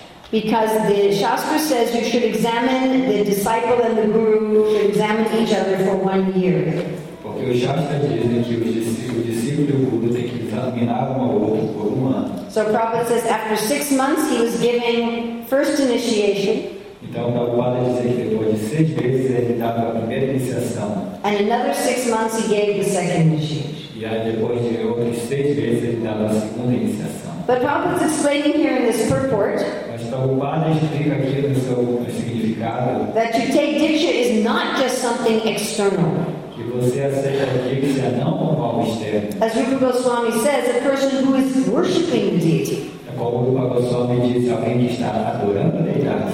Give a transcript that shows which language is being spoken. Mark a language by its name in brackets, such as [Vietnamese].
[English] Because the Shastra says you should examine the disciple and the guru, you should examine each other for 1 year. [Portuguese] Porque o Shastra diz que o discípulo e o guru tem que examinar um ao outro por 1 ano. [English] So Prabhupada says after 6 months he was giving first initiation. [Portuguese] Então Prabhupada diz que depois de 6 meses ele dava a primeira iniciação. [English] And another 6 months he gave the second initiation. [Portuguese] E aí depois de outros 6 meses ele dava a segunda iniciação. [English] But Prabhupada's explaining here in this purport. [Portuguese] Mas Prabhupada explica aqui no seu significado. [English] That you take diksha is not just something external. [Portuguese] Que você aceita a diksha não como algo externo. [English] As Rupa Goswami says, a person who is worshipping the deity. [Portuguese] Como Rupa Goswami diz, alguém que está adorando a deidade.